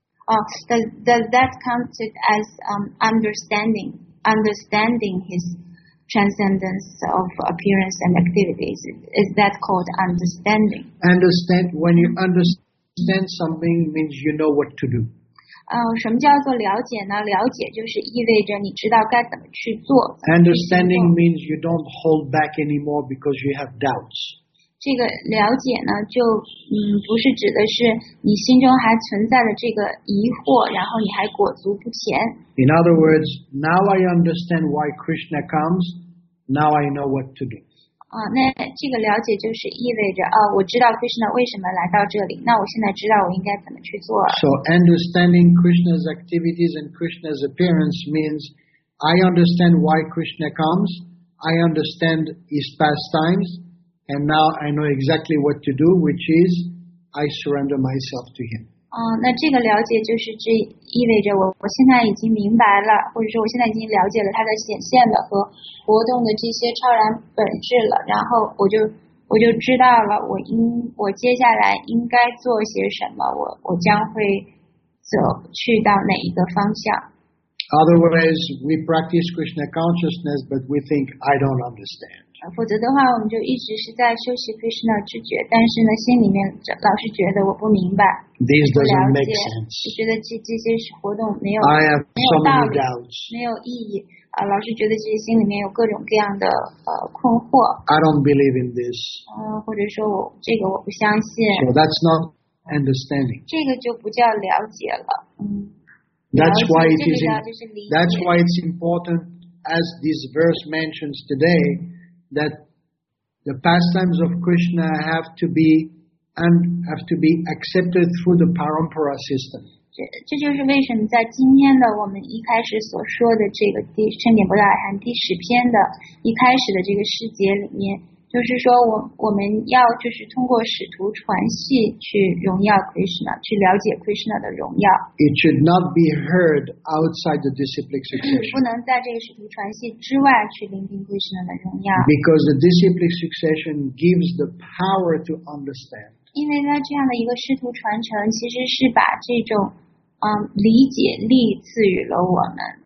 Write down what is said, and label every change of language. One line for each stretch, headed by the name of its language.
English: Does that count it as understanding his transcendence of appearance and activities? Is that called understanding? Understand when you understand something means you know what to do.
Chinese: 什么叫做了解呢？了解就是意味着你知道该怎么去做。
English: Understanding means you don't hold back anymore because you have doubts.
Chinese: 这个了解呢，就不是指的是你心中还存在的这个疑惑，然后你还裹足不前。
English: In other words, now I understand why Krishna comes. Now I know what to do.
Chinese: 那这个了解就是意味着我知道 Krishna 为什么来到这里那我现在知道我应该怎么去做
English: So understanding Krishna's activities and Krishna's appearance means I understand why Krishna comes I understand his pastimes and now I know exactly what to do which is I surrender myself to him
Chinese: 那这个了解就是指意味着我现在已经明白了或者说我现在已经了解了他的显现了和活动的这些超然本质了然后我就知道了我接下来应该做些什么我将会走去到哪一个方向
English: Otherwise, we practice Krishna consciousness, but we think I don't understand.
Chinese: 否则的话我们就一直是在修习 Krishna 知觉但是呢心里面老是觉得我不明白
English: This doesn't make sense.
Chinese: 就觉得这些活动没有
English: I have so many doubts.
Chinese: 没有意义老是觉得自己心里面有各种各样的困惑。
English: I don't believe in this.
Chinese: 或者说我这个我不相信。
English: So that's not understanding.
Chinese: 这个就不叫了解了。
English: That's why it is. That's why it's important, as this verse mentions today, that the pastimes of Krishna have to be accepted through the parampara system.
Chinese: 这就是为什么在今天的我们一开始所说的这个第圣典博达尔含第十篇的一开始的这个诗节里面，就是说我们要就是通过使徒传系去荣耀 Krishna， 去了解 Krishna 的荣耀。
English: It should not be heard outside the disciplic succession.
Chinese: 不能在这个使徒传系之外去聆听 Krishna 的荣耀。
English: Because the disciplic succession gives the power to understand.
Chinese: 因为呢，这样的一个师徒传承，其实是把这种理解力赐予了我们。